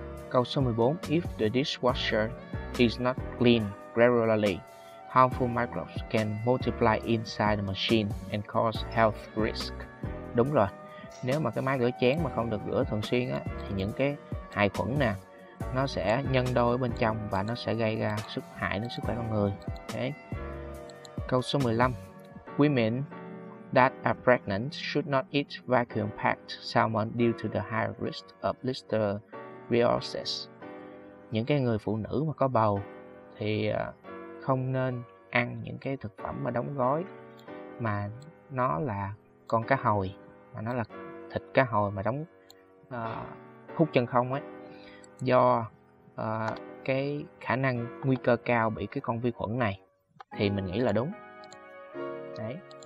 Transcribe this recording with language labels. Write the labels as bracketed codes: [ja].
[vi] Câu số 14, [en] if the dishwasher is not cleaned regularly, harmful microbes can multiply inside the machine and cause health risk. [vi] Đúng rồi, nếu mà cái máy rửa chén mà không được rửa thường xuyên á, thì những cái hại khuẩn nè nó sẽ nhân đôi ở bên trong và nó sẽ gây ra sức hại đến sức khỏe con người. Đấy. Câu số 15, [en] women that are pregnant should not eat vacuum-packed salmon due to the high risk of listeriosis. [vi] Những cái người phụ nữ mà có bầu thì không nên ăn những cái thực phẩm mà đóng gói mà nó là con cá hồi, mà nó là thịt cá hồi mà đóng hút chân không ấy, do cái khả năng nguy cơ cao bị cái con vi khuẩn này, thì mình nghĩ là đúng. Đấy.